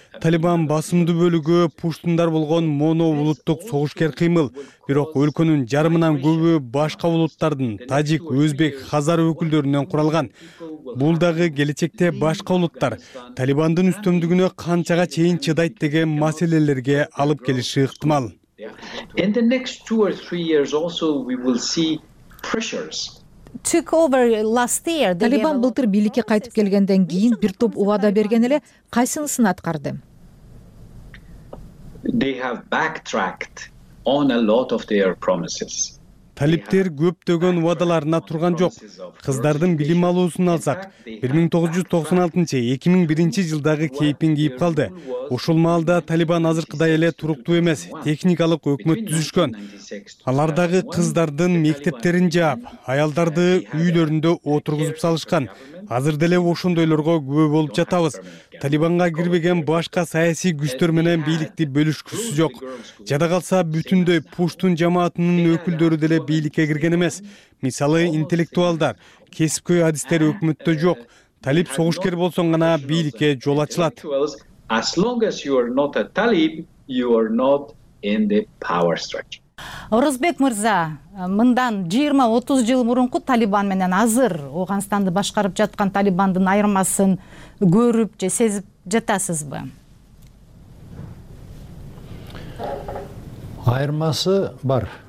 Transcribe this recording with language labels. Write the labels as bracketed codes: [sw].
[ky] Талибан басымдуу бөлүгү пуштундар болгон моно улуттук согушкер кыймыл. Бирок өлкөнүн жарымынан көбү башка улуттардын тажик, өзбек, хазар өкүлдөрүнөн куралган. Бул дагы келечекте башка улуттар Талибандын үстөмдүгүнө канчага чейин чыдайт деген маселелерге алып келиши ыктымал. [en] In the next 2 or 3 years also we will see pressures. Took over last year. [ky] Талибан былтыр бийликке кайтып келгенден кийин бир топ убада берген эле кайсынысын аткарды? [en] They have backtracked on a lot of their promises. [ky] Талиптер көптөгөн убадаларына турган жок. Кыздардын билим алуусун алсак, 1996-2001 жылдагы кейпин кийип калды. Ушул маалда Талибан азыркыдай эле туруктуу эмес, техникалык өкмөт түзүшкөн. Алар дагы кыздардын мектептерин жаап, аялдарды үйлөрүндө отургузуп салышкан. Азыр деле ошондойлорго күбө болуп жатабыз. Талибанга кирбеген башка саясий күчтөр менен бийликти бөлүшкүсү жок. Жада калса, бүтүндөй пуштун жамаатынын өкүлдөрү деле бийликке кирген эмес. Мисалы, интеллектуалдар, кесипкөй адистер өкмөттө жок. Талип согушкер болсоң гана бийликке жол ачылат. [en] As long as you are not a talib, you are not in the power structure. [ky] Орозбек мырза, мындан 20-30 жыл мурунку Талибан менен азыр Ооганстанды башкарып жаткан Талибандын айырмасын көрүп же сезип жатасызбы? Айырмасы бар.